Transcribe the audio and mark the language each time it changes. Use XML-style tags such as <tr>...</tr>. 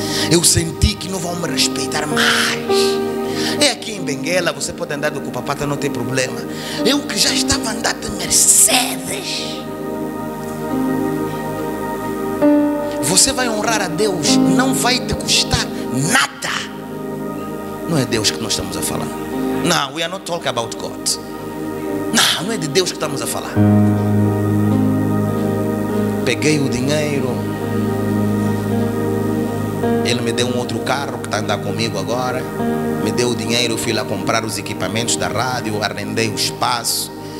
<pt>Eu senti que não vão me respeitar mais. É aqui em Benguela, você pode andar do cupapata, não tem problema. Eu que já estava andando de Mercedes. Você vai honrar a Deus, não vai te custar nada. Não é Deus que nós estamos a falar.</pt> <en>Não, we are not talking about God.</en> <pt>Não, não é de Deus que estamos a falar. Peguei o dinheiro. Ele me deu um outro carro que está andando comigo agora. Me deu o dinheiro, eu fui lá comprar os equipamentos da rádio, arrendei o espaço.</pt>